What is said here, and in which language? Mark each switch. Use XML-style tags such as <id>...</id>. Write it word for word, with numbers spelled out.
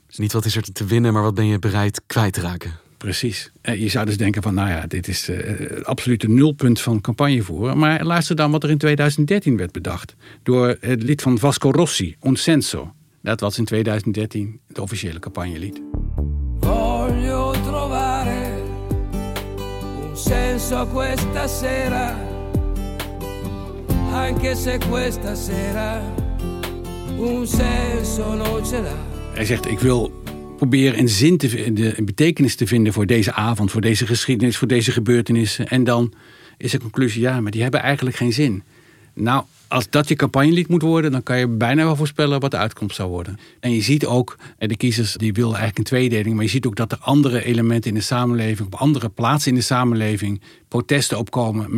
<nl>Dus niet wat is er te winnen, maar wat ben je bereid kwijt te raken? Precies. Je zou dus denken van, nou ja, dit is het absolute nulpunt van campagnevoeren. Maar luister dan wat er in tweeduizend dertien werd bedacht. Door het lied van Vasco Rossi, Un Senso. Dat was in tweeduizend dertien het officiële campagnelied.</nl> <it>Voglio trovare un senso a questa sera. Anche se questa sera un senso non ce l'ha.</it> <nl>Hij zegt, ik wil proberen een zin, te, een betekenis te vinden voor deze avond, voor deze geschiedenis, voor deze gebeurtenissen. En dan is de conclusie, ja, maar die hebben eigenlijk geen zin. Nou, als dat je campagnelied moet worden, dan kan je bijna wel voorspellen wat de uitkomst zou worden. En je ziet ook, de kiezers die willen eigenlijk een tweedeling, maar je ziet ook dat er andere elementen in de samenleving, op andere plaatsen in de samenleving, protesten opkomen.</nl>